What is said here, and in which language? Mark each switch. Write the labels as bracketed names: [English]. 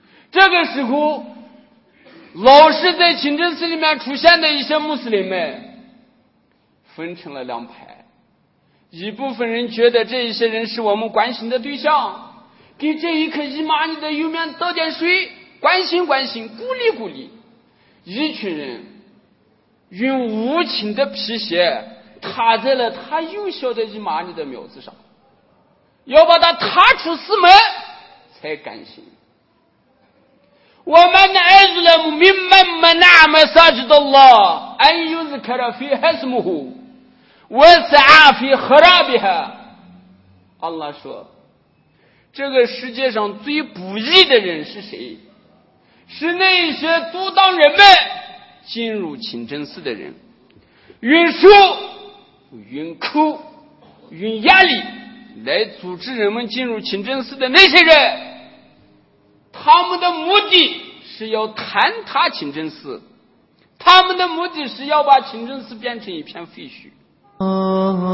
[Chinese] 这个时候老是在清真寺里面出现的一些穆斯林们分成了两派，一部分人觉得这一些人是我们关心的对象，给这一颗伊玛尼的幼苗倒点水，关心关心，鼓励鼓励。一群人用无情的皮鞋踏在了他幼小的伊玛尼的苗子上，要把他踏出寺门才甘心。 [Arabic] ومن أظلم ممن منع مساجد الله أن يذكر فيها اسمه وسعى في خرابها。 [Chinese] Allah 说这个世界上最不义的人是谁，是那些阻挡人们进入清真寺的人，运手运口运压力来阻止人们进入清真寺的那些人，他们的目的是要坍塌清真寺，他们的目的是要把清真寺变成一片废墟。